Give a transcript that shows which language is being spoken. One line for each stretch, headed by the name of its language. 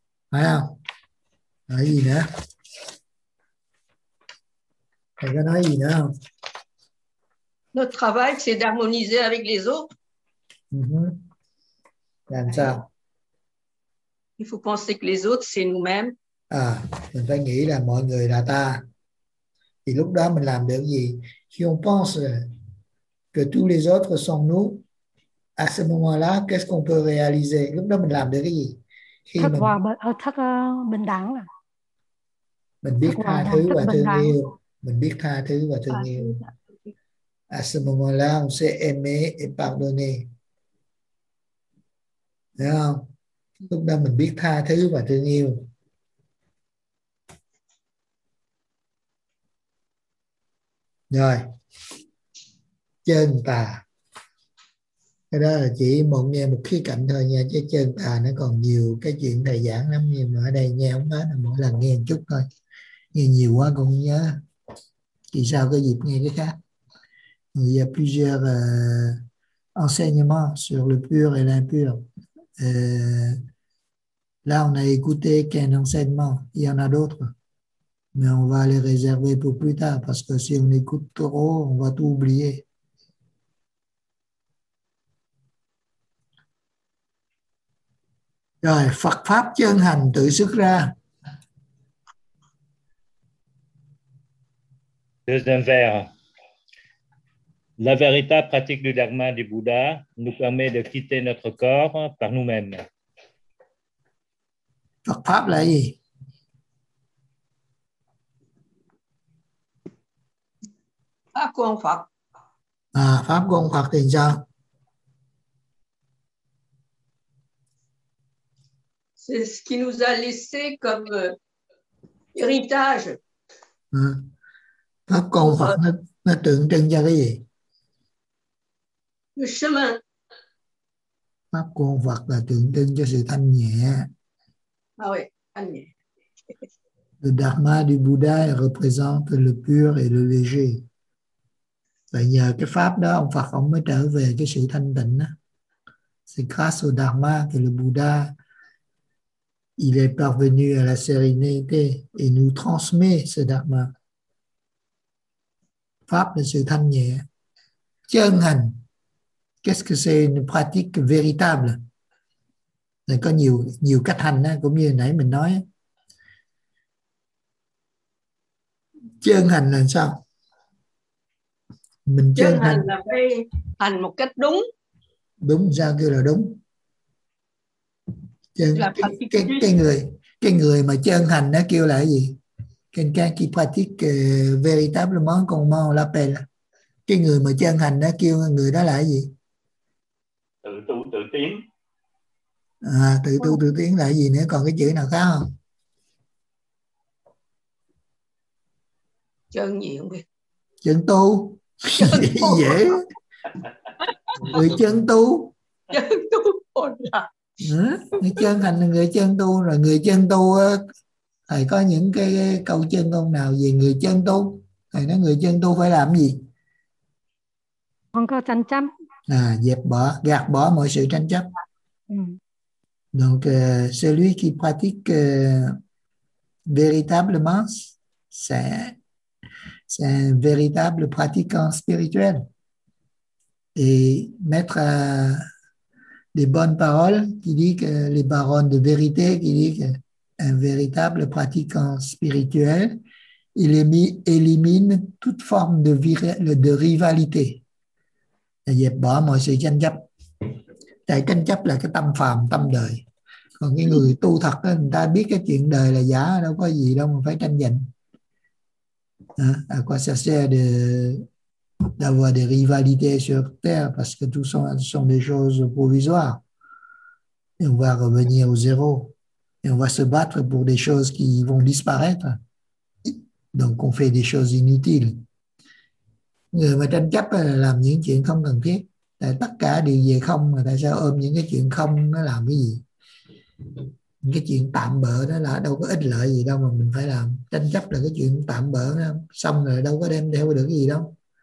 French: Voilà. Ah, il y a. Il y a. Notre travail, c'est d'harmoniser avec les autres. Comme ça. Il faut penser que les autres, c'est nous-mêmes.
Vietnamese: Ah, mình phải nghĩ là mọi người là ta. Et lúc đó mình làm được gì?
French: Si on pense que tous les autres sont nous, à ce moment-là, qu'est-ce qu'on peut réaliser?
Vietnamese: Lúc đó mình làm được cái gì? Khi thật hòa bình đẳng. Mình biết tha thứ và thương yêu. Mình biết tha thứ và thương yêu.
French: À ce moment-là, on sait aimer et pardonner.
Vietnamese: Đấy không? Lúc đó mình biết tha thứ và thương yêu. Rồi. Chân tà, cái đó là chỉ một nghe một khía cạnh thôi nha, chứ chân tà nó còn nhiều cái chuyện thầy giảng lắm, nhưng mà ở đây nghe không hết, mỗi lần nghe một chút thôi, nghe nhiều quá cũng không nhớ, thì sao cái dịp nghe cái khác.
French: Il y a plusieurs enseignements sur le pur et l'impur. Là on a écouté qu'un enseignement, il y en a d'autres, mais on va les réserver pour plus tard, parce que si on écoute trop, on va tout oublier.
Vietnamese: Rồi, Phật pháp chân hành tự xuất ra.
French: Deuxième vers. La véritable pratique du dharma du Bouddha nous permet de quitter notre corps par nous-mêmes.
Vietnamese: Phật pháp là gì? Pháp của ông Phật. À, pháp của ông Phật thì sao?
French: C'est ce qui nous a laissé comme héritage.
Vietnamese: Pháp con Phật nó tượng trưng cho cái gì? Pháp con Phật là tượng trưng cho sự thanh nhẹ.
French: Le dharma du Bouddha représente le pur et le léger.
Vietnamese: Vậy nhờ cái pháp đó ông Phật ông mới trở về cái sự thanh tịnh đó.
French: C'est grâce au dharma que le Bouddha il est parvenu à la sérénité et nous transmet ce dharma.
Vietnamese: Pháp là sự thanh nhẹ. Chân hành.
French: Qu'est-ce que c'est une pratique véritable?
Vietnamese: Là có nhiều nhiều cách hành đó, cũng như nãy mình nói. Chân hành là sao? Mình chân hành là phải hành một cách đúng. Đúng ra kêu là đúng. Chân, là cái người mà chân hành nó kêu là cái gì?
French: Quelqu'un qui pratique véritablement comment on l'appelle?
Vietnamese: Cái người mà chân hành nó kêu người đó là cái gì? Tự tu tự tiến. À, tự tu tự tiến là cái gì nữa? Còn cái chữ nào khác không? Chân tu. Dễ. Người chân tu. Chân tu còn là. Người chân hành là người chân tu. Rồi người chân tu, thầy có những cái câu chân ngôn nào về người chân tu? Thầy nói người chân tu phải làm gì? Không có tranh chấp. À, dẹp bỏ, gạt bỏ mọi sự tranh chấp. Ừ.
French: Donc, celui qui pratique véritablement, c'est un véritable pratiquant spirituel. Et mettre des bonnes paroles, qui dit que les paroles de vérité, qui dit que un véritable pratiquant spirituel, il élimine toute forme de rivalité.
Vietnamese: Dẹp bỏ mọi sự tranh chấp. Tại tranh chấp là cái tâm phàm, tâm đời. Còn cái người tu thật, người ta biết cái chuyện đời là giả, đâu có gì đâu mà phải tranh giành.
French: À quoi ça sert d'avoir des rivalités sur terre parce que tout sont des choses provisoires. Et on va revenir au zéro. Et on va se battre pour des choses qui vont disparaître. Donc on fait des choses inutiles.
Vietnamese: Người mà tranh chấp là làm những chuyện không cần thiết. Tại tất cả đều về không, mà tại sao ôm những cái chuyện không nó làm cái gì? Những cái chuyện tạm bợ đó là đâu có ích lợi gì đâu mà mình phải làm. Tranh chấp là cái chuyện tạm bợ đó. Xong rồi đâu có đem theo được cái gì đâu.